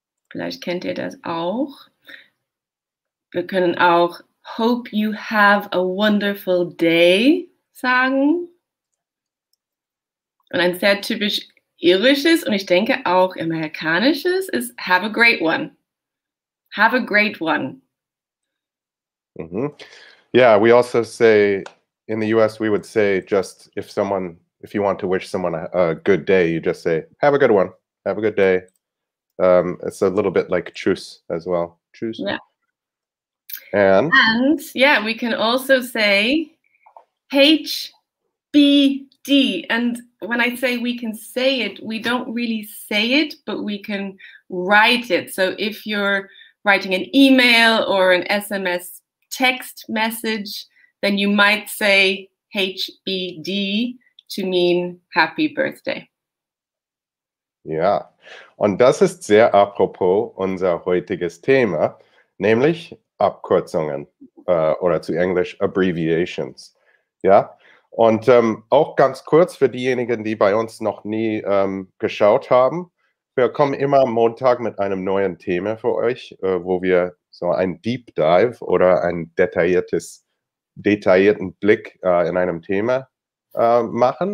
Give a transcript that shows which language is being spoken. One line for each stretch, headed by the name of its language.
German: Vielleicht kennt ihr das auch. Wir können auch
English: Hope you have a wonderful day
German: sagen. Und ein sehr typisch irisches und ich denke auch amerikanisches ist
English: Have a great one. Have a great one. Mm-hmm. Yeah, we also say in the US, we would say just if you want to wish someone a good day, you just say, have a good one. Have a good day. It's a little bit like truce as well. Truce. Yeah. And yeah, we can also say HBD. And when I say we can say it, we don't really say it, but we can write it. So if you're writing an email or an SMS text message, then you might say HBD to mean happy birthday.
German: Ja, und das ist sehr apropos unser heutiges Thema, nämlich Abkürzungen oder zu Englisch Abbreviations. Ja, und auch ganz kurz für diejenigen, die bei uns noch nie geschaut haben, wir kommen immer am Montag mit einem neuen Thema für euch, wo wir so ein Deep Dive oder einen detaillierten Blick in einem Thema machen.